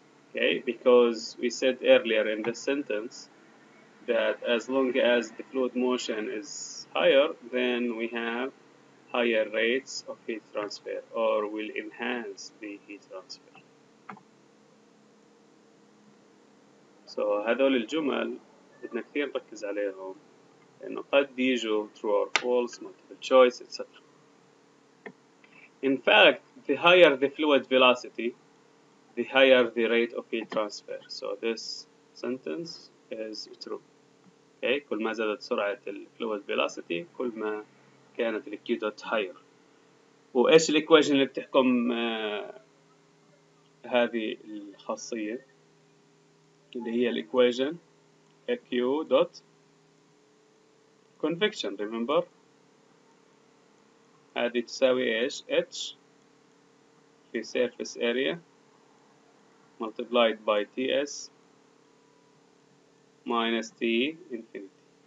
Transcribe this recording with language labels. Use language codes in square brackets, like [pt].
[en] Okay, because we said earlier in the sentence that as long as the fluid motion is higher, then we have higher rates of heat transfer, or will enhance the heat transfer. [ar] So هذول الجمل بدنا كثير نركز عليهم لأنه قد يجوا [en] true or false, multiple choice, etc. In fact, the higher the fluid velocity, the higher the rate of heat transfer. So this sentence is true. [ar] Okay, كل ما زادت سرعة fluid velocity, كل ما كانت الـ Q dot higher. وإيش الـ equation اللي بتحكم هذه الخاصية؟ اللي هي الـ equation Q dot convection, remember؟ هذه تساوي إيش؟ H في surface area multiplied by Ts minus T infinity.